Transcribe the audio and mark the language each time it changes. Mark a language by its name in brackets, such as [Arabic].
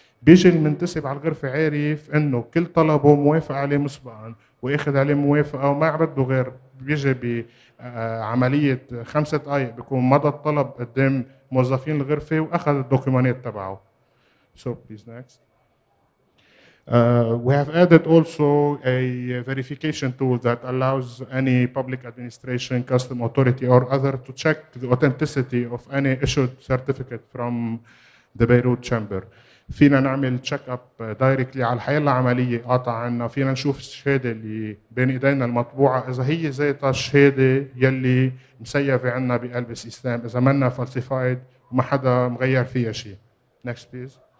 [Arabic] بيجي المنتسب على الغرفه عارف انه كل طلبه موافق عليه مسبقا واخذ عليه موافقه وما عبده غير بيجي بعمليه 5 دقائق بيكون مضى الطلب قدام موظفين الغرفه واخذ الدوكيومنت تبعه. [English] So please next. We have added also a verification tool that allows any public administration, custom authority or other to check the authenticity of any issued certificate from the Beirut chamber. [Arabic] فينا نعمل [English] check up directly [Arabic] على الحياة العملية قاطع عنا، فينا نشوف الشهادة اللي بين ايدينا المطبوعة اذا هي ذاتها الشهادة يلي مسيفة عنا بقلب السيستم اذا منا فالسيفايد وما حدا مغير فيها شيء. [English] Next please.